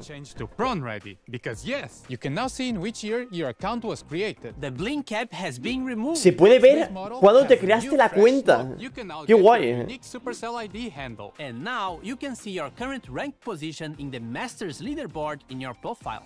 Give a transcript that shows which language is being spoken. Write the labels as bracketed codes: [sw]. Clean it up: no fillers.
[en] Change to prawn ready, because yes, you can now see in which year your account was created. The blink cap has been removed. [es] Se puede ver cuando te creaste la cuenta. Qué guay. [en] Unique Supercell ID handle, and now you can see your current rank position in the Masters leaderboard in your profile.